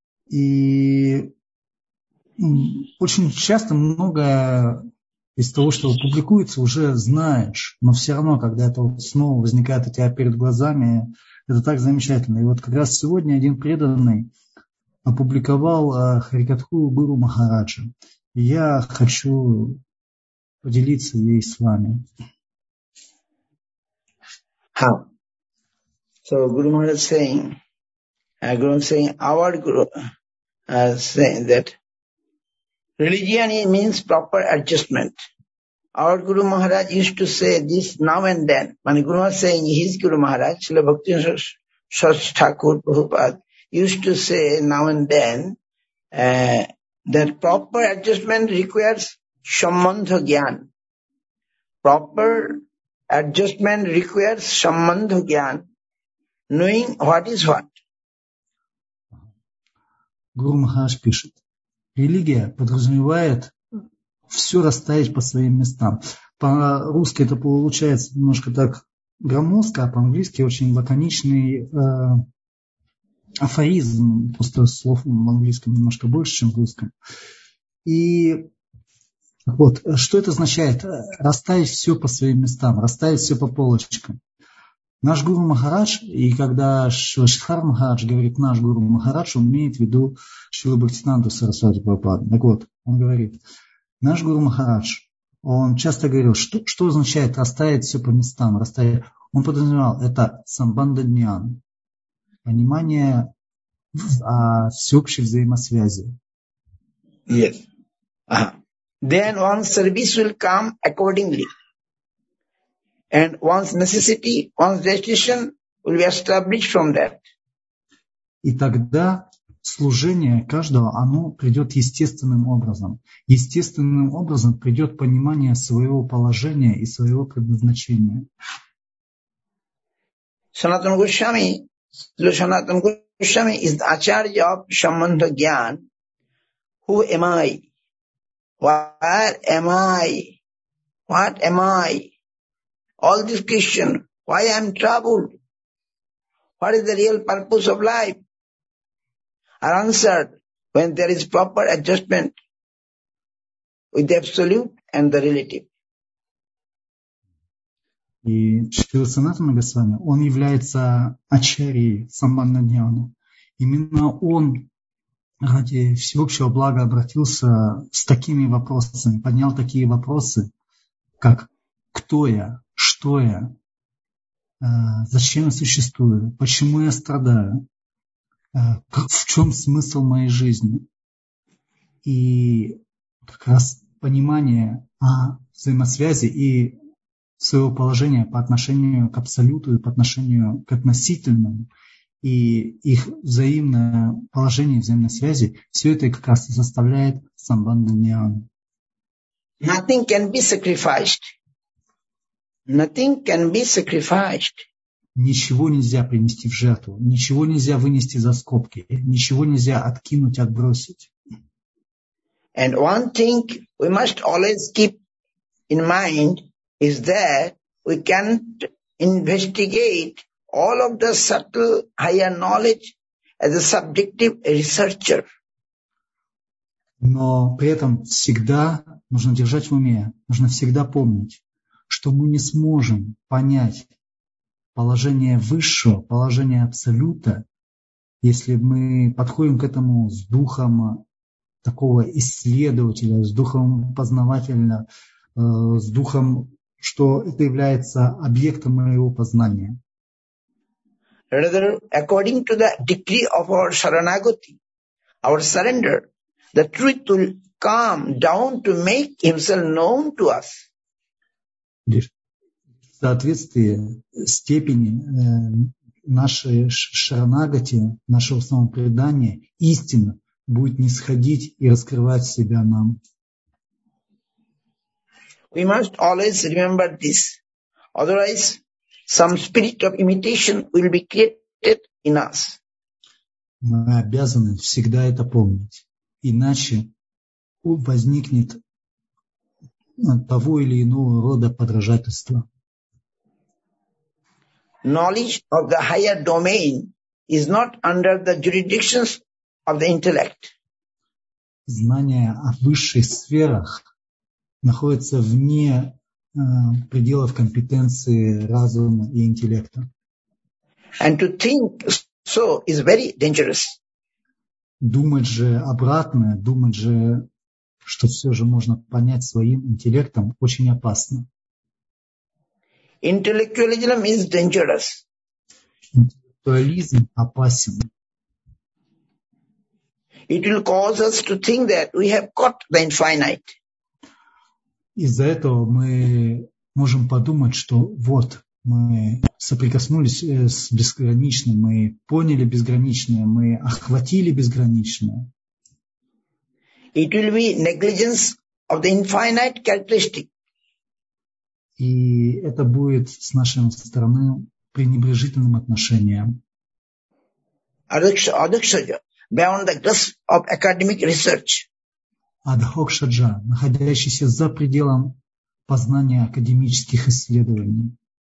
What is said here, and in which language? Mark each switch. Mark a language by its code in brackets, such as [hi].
[ru] И очень часто многое из того, что публикуется, уже знаешь, но все равно, когда это вот снова возникает у тебя перед глазами, это так замечательно. И вот как раз сегодня один преданный опубликовал харикатху Гуру Махараджа. Я хочу поделиться ей с вами. [en] How? So Guru Maharaj saying, our Guru saying that religion means proper adjustment. Our Guru Maharaj used to say this now and then. When Guru Maharaj saying his Guru Maharaj, Srila Bhakti Sarasvati Thakur Prabhupada, used to say now and then that proper adjustment requires sambandha gyan. Proper adjustment requires sambandha gyan, knowing what is what. [ru] Guru Maharaj пишет. Религия подразумевает все расставить по своим местам. По-русски это получается немножко так громоздко, а по-английски очень лаконичный афоризм, просто слов в английском немножко больше, чем в русском. И вот, что это означает? Расставить все по своим местам, расставить все по полочкам. Наш Гуру Махарадж, и когда Шрила Шридхара Махарадж говорит «наш Гуру Махарадж», он имеет в виду Шрилу Бхактисиддханту Сарасвати Прабхупаду. Так вот, он говорит, наш Гуру Махарадж, он часто говорил, что означает «расставить все по местам», расставить. Он подразумевал, это самбанда дниан, понимание о всеобщей взаимосвязи. [en] Yes. Then one service will come accordingly. And one's necessity, one's destination will be established from that. [ru] И тогда служение каждого, оно придет естественным образом. Естественным образом придет понимание своего положения и своего предназначения. [en] Sanatana Goswami, Sanatana Goswami is the acharya of Sambandha Gyan. Who am I? Where am I? What am I? All this question, why I am troubled? What is the real purpose of life? Are answered when there is proper adjustment with the absolute and the relative. [ru] И Шрила Санатана Госвами, он является ачарьей Самбанда Дьяну. Именно он ради всеобщего блага обратился с такими вопросами, поднял такие вопросы, как «Кто я?», что я, зачем я существую, почему я страдаю, в чем смысл моей жизни. И как раз понимание о взаимосвязи и своего положения по отношению к абсолюту и по отношению к относительному, и их взаимное положение, взаимосвязи, все это как раз и составляет самбанда ньян. [en] Nothing can be sacrificed. Nothing can be sacrificed. [ru] Ничего нельзя принести в жертву, ничего нельзя вынести за скобки, ничего нельзя откинуть, отбросить. [en] And one thing we must always keep in mind is that we can't investigate all of the subtle higher knowledge as a subjective researcher. [ru] Но при этом всегда нужно держать в уме, нужно всегда помнить, что мы не сможем понять положение высшего, положение абсолюта, если мы подходим к этому с духом такого исследователя, с духом познавателя, с духом, что это является объектом моего познания. [en] Rather, according to the decree of our Sharanagati, our surrender, the truth will come down to make himself known to us. [ru] В соответствии степени нашей шаранагати, нашего самопредания, истина будет нисходить и раскрывать себя нам. [en] We must always remember this. Otherwise, some spirit of imitation will be created in us. [ru] Мы обязаны всегда это помнить. Иначе возникнет того или иного рода подражательство. [en] Knowledge of the higher domain is not under the jurisdictions of the intellect. [ru] Знание о высших сферах находится вне пределов компетенции разума и интеллекта. [en] And to think so is very dangerous. [ru] Думать же обратное, думать же, что все же можно понять своим интеллектом, очень опасно. [en] Intellectualism is dangerous. [ru] Интеллектуализм опасен. [en] It will cause us to think that we have got the infinite. [ru] Из-за этого мы можем подумать, что вот, мы соприкоснулись с безграничным, мы поняли безграничное, мы охватили безграничное. [en] It will be negligence of the infinite characteristic. [ru] И это будет с нашей стороны пренебрежительным отношением. [en] Адхокшаджа, beyond the grasp of academic research. [ru] Адхокшаджа, находящийся за пределом познания академических исследований.